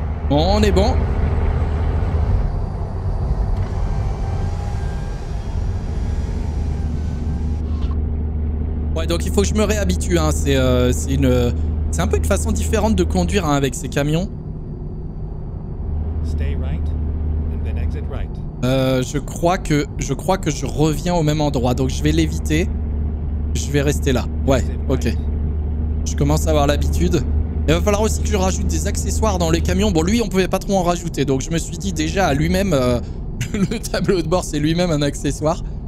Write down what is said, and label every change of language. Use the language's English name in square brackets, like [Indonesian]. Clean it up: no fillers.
[French] Bon, on est bon. donc il faut que je me réhabitue, hein. C'est un peu une façon différente de conduire, hein, avec ces camions. [English] Stay right, and then exit right. [French] Je crois que je reviens au même endroit, donc je vais l'éviter. Je vais rester là. Ouais, ok. Je commence à avoir l'habitude. Il va falloir aussi que je rajoute des accessoires dans les camions. Bon, lui, on pouvait pas trop en rajouter, donc je me suis dit déjà à lui-même, le tableau de bord, c'est lui-même un accessoire.